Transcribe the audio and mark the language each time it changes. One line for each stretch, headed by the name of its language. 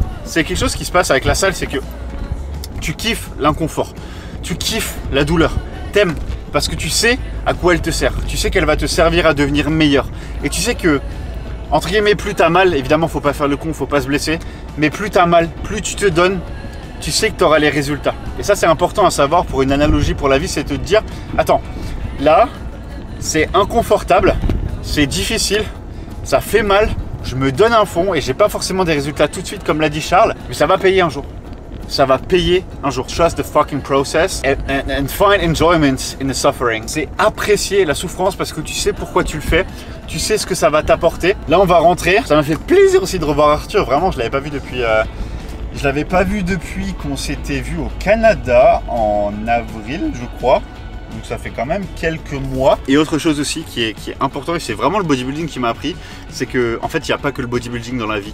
French: C'est quelque chose qui se passe avec la salle, c'est que tu kiffes l'inconfort, tu kiffes la douleur, t'aimes parce que tu sais à quoi elle te sert, tu sais qu'elle va te servir à devenir meilleur et tu sais que entre guillemets, plus t'as mal, évidemment faut pas faire le con, faut pas se blesser, mais plus t'as mal, plus tu te donnes, tu sais que t'auras les résultats. Et ça c'est important à savoir pour une analogie pour la vie, c'est de te dire, attends, là, c'est inconfortable, c'est difficile, ça fait mal, je me donne un fond et j'ai pas forcément des résultats tout de suite comme l'a dit Charles, mais ça va payer un jour. Ça va payer un jour.
English: Trust the fucking process and find enjoyment in the suffering.
French: C'est apprécier la souffrance parce que tu sais pourquoi tu le fais. Tu sais ce que ça va t'apporter. Là, on va rentrer. Ça m'a fait plaisir aussi de revoir Arthur. Vraiment, je l'avais pas vu depuis. Je l'avais pas vu depuis qu'on s'était vu au Canada en avril, je crois. Donc, ça fait quand même quelques mois. Et autre chose aussi qui est important, et c'est vraiment le bodybuilding qui m'a appris, c'est que en fait, il n'y a pas que le bodybuilding dans la vie.